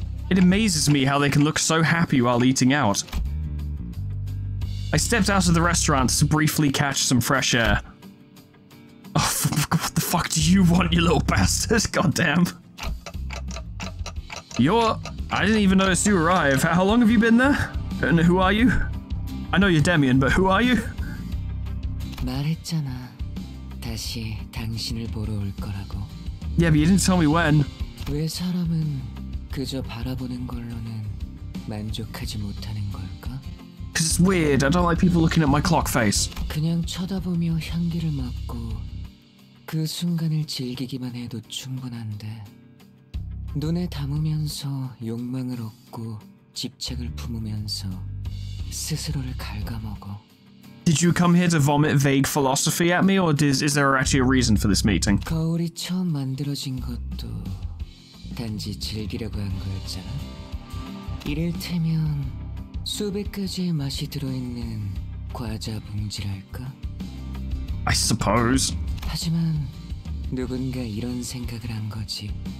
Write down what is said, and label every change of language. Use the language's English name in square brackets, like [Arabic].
[English] It amazes me how they can look so happy while eating out. I stepped out of the restaurant to briefly catch some fresh air. Oh, what the fuck do you want, you little bastard? Goddamn. I didn't even notice you arrive. How long have you been there? And who are you? I know you're Demian, but who are you? [Korean] 말했잖아. 다시 당신을 보러 올 거라고. [English] Yeah, but you didn't tell me when. [Korean] 왜 사람은 그저 바라보는 걸로는 만족하지 못하는 걸까? [English] Because it's weird. I don't like people looking at my clock face. [Korean] 그냥 쳐다보며 향기를 맡고 그 순간을 즐기기만 해도 충분한데. 눈에 담으면서 욕망을 얻고 집착을 품으면서 스스로를 갉아먹어. [English] Did you come here to vomit vague philosophy at me, or is there actually a reason for this meeting? [Korean] 거울이 처음 만들어진 것도 단지 즐기려고 한 거였잖아. 이를테면 수백 가지의 맛이 들어있는 과자 봉지랄까? [English] I suppose. [Korean] 하지만 누군가 이런 생각을 한 거지.